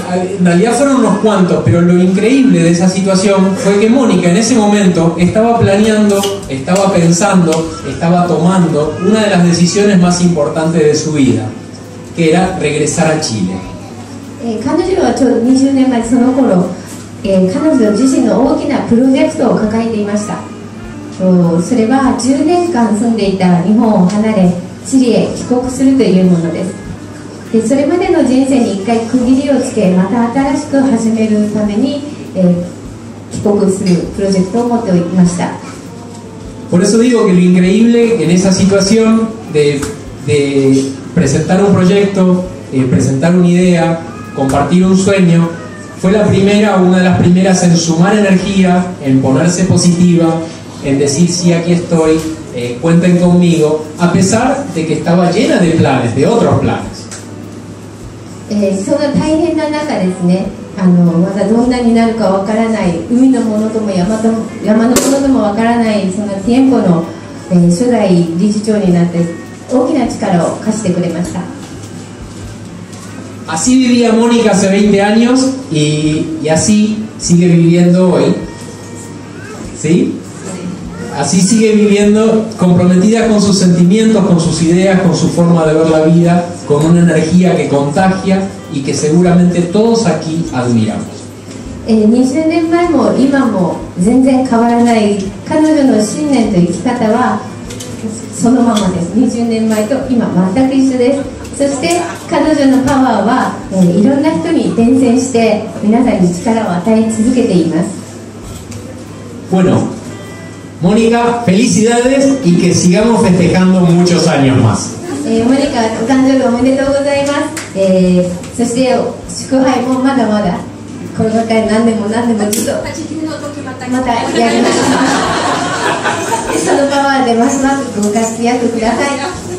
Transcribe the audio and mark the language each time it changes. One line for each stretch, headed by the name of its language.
Spanish: En realidad fueron unos cuantos, pero lo increíble de esa situación fue que Mónica en ese momento estaba planeando, estaba pensando, estaba tomando una de las decisiones más importantes de su vida, que era regresar a Chile.
Japanese: 彼女はちょうど20年前その頃、彼女自身の大きなプロジェクトを抱えていました。それは10年間住んでいた日本を離れチリへ帰国するというものです。でそれまでの人生に一回区切りをつけまた新しく始めるために、帰国するプロジェクトを持っていました。
Spanish: Por eso digo que lo increíble en esa situación de presentar un proyecto, presentar una ideaCompartir un sueño fue la primera, una de las primeras en sumar energía, en ponerse positiva, en decir sí, aquí estoy, cuenten conmigo, a pesar de que estaba llena de planes, de otros planes.
Japanese: その大変な中ですね、まだどんなになるかわからない海のものとも山のものともわからないそのティエンポの、初代理事長になって大きな力を貸してくれました。
Spanish: Así vivía Mónica hace 20 años y así sigue viviendo hoy. ¿Sí? Así sigue viviendo comprometida con sus sentimientos, con sus ideas, con su forma de ver la vida, con una energía que contagia y que seguramente todos aquí admiramos. 20 años más, y hoy, no cambia nada. Su forma de vivir es la misma. 20 años más y hoy, exactamente igual.
Japanese: そして彼女のパワーは、いろんな人に伝染して皆さんに力を与え続けています。
Spanish: Bueno, Mónica, felicidades y que sigamos festejando muchos años más.
Japanese: Mónica, お誕生日おめでとうございます。そして祝杯もまだまだこの回何でも何でもずっと 8 時の時またやりましょう。そのパワーでますますご活躍ください。